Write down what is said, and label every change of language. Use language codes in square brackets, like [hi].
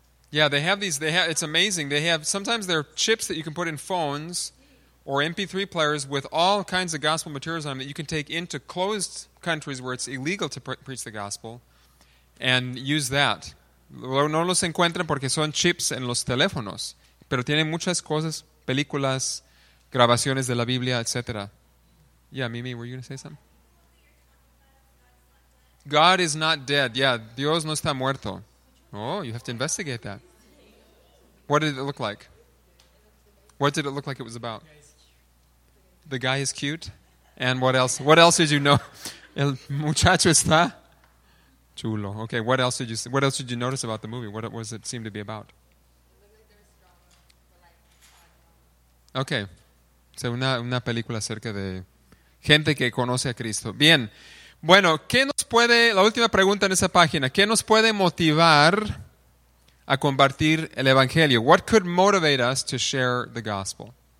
[en] Yeah, they have these. It's amazing. They have sometimes there are chips that you can put in phones or MP3 players with all kinds of gospel materials on them that you can take into closed countries where it's illegal to preach the gospel and use that. [es] No los encuentran porque son chips en los teléfonos, pero tienen muchas cosas, películas, grabaciones de la Biblia, etc. [en] Yeah, Mimi, were you going to say something? God is not dead. Yeah, [es] Dios no está muerto. [en] Oh, you have to investigate that. What did it look like? What did it look like it was about? The guy is cute. And what else? What else did you know? [es] El muchacho está chulo. [en] Okay, what else did you see? What else did you notice about the movie? What was it seem to be about? Okay. [es] So una película acerca de gente que conoce a Cristo. Bien. Bueno, ¿qué nos puede, la última pregunta en esa página, ¿qué nos puede motivar a compartir el Evangelio? [en] What could motivate us to share the gospel?